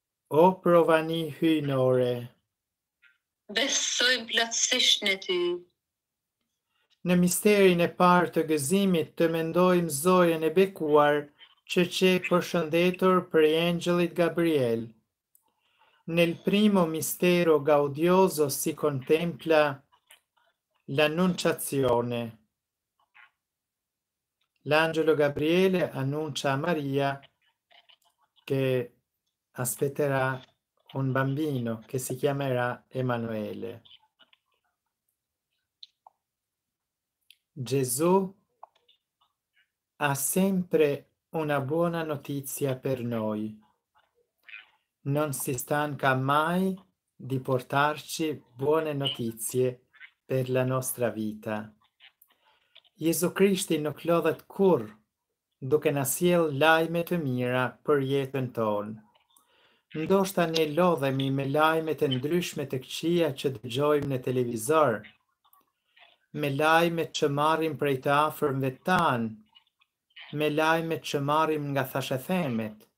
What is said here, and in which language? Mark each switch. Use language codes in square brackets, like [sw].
[sq] O provani hyjnore, besojmë plotësisht në ty. Në misterin e parë të gëzimit të mendojmë Zojën e bekuar që qe përshëndetur për Engjëllit Gabriel. [it] Nel primo mistero gaudioso si contempla l'annunciazione. L'angelo Gabriele annuncia a Maria che aspetterà un bambino che si chiamerà Emanuele. Gesù ha sempre una buona notizia per noi. Non si stanca mai di portarci buone notizie per la nostra vita. [sq] Gesù Cristo non clodhet kur duke na sjell lajme të mira për jetën tonë. Ndoshta ne lodhemi me lajmet e ndryshme të këqija që dëgjojmë në televizor, me lajmet që marrim prej të afërmve tanë, me lajmet që marrim nga thashethemet.